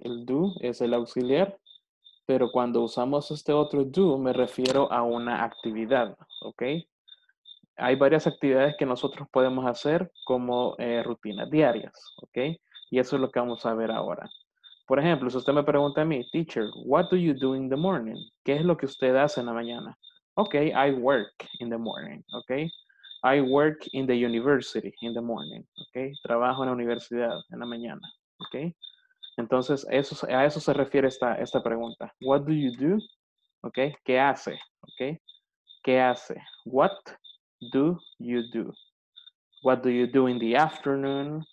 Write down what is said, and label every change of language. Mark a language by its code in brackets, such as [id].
[es] El do es el auxiliar. Pero cuando usamos este otro do, me refiero a una actividad, ¿ok? Hay varias actividades que nosotros podemos hacer como rutinas diarias, ¿ok? Y eso es lo que vamos a ver ahora. Por ejemplo, si usted me pregunta a mí, [en] teacher, what do you do in the morning? [es] ¿Qué es lo que usted hace en la mañana? [en] Ok, I work in the morning, ok. I work in the university in the morning, ok. [es] Trabajo en la universidad en la mañana, [en] ok. [es] Entonces, eso, a eso se refiere esta pregunta. [en] What do you do? Ok, [es] ¿qué hace? Ok, ¿qué hace? [en] What do you do? What do you do in the afternoon?